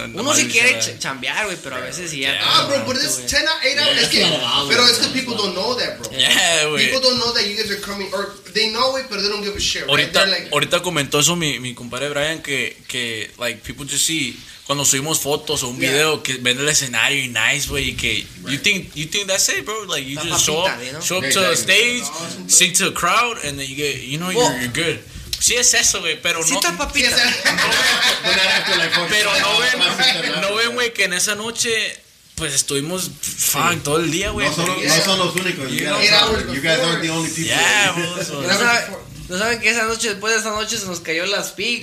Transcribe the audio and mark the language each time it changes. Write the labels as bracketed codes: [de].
[es] Uno si quiere chambear, güey, pero a veces sí. [en] Ah, bro, but this 10 or 8 hours, [es] pero es que [en] people don't know that, bro. Yeah, people don't know that you guys are coming, or they know it, but they don't give a shit. [es] Ahorita, [en] right? Like, [es] ahorita comentó eso mi compadre Brian, que like, [en] people just see, [es] cuando subimos fotos o un video, que ven el escenario y nice, güey, y que, [en] you think that's it, bro? Like, you just show up to the stage, sing to the crowd, and then you get, you know, you're good. [es] Sí es eso, güey, pero sí no. Está papita. No, pero no ven, no ven, güey, que en esa noche, pues estuvimos fan todo el día, güey. No, no son los únicos. [en] You guys aren't the only people. Yeah, bro. [es] No saben que esa noche, después de esa noche, se nos cayó la speaker.